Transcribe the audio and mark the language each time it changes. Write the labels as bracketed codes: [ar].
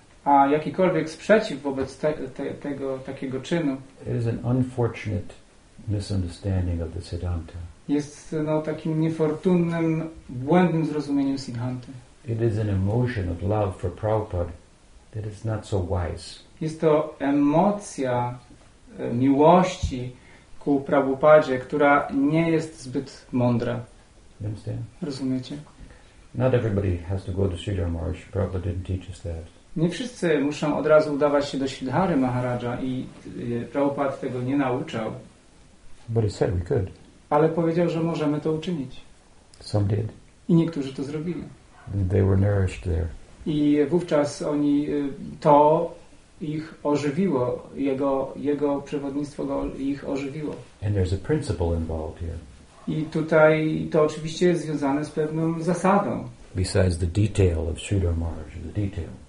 [pl] A jakikolwiek sprzeciw wobec tego takiego czynu? [en] It is an unfortunate misunderstanding of the Siddhanta. [pl] Jest takim niefortunnym, błędnym zrozumieniem Siddhanty. [en] It is an emotion of love for Prabhupada that is not so wise. [pl] Jest to emocja miłości ku Prabhupadzie, która nie jest zbyt mądra. [en] You understand? [pl] Rozumiecie? [en] Not everybody has to go to Sridhar Maharaj. Prabhupada didn't teach us that. [pl] Nie wszyscy muszą od razu udawać się do Sridhary Maharaja i Prabhupada tego nie nauczał. [en] But he said we could. [pl] Ale powiedział, że możemy to uczynić. [en] Some did. [pl] I niektórzy to zrobili. [en] And they were nourished there. [pl] I wówczas oni to ich ożywiło, jego przewodnictwo ich ożywiło. [en] And there's a principle involved here. [pl] I tutaj to oczywiście jest związane z pewną zasadą. [en] Besides the detail of Sridhar Maharaj, the detail.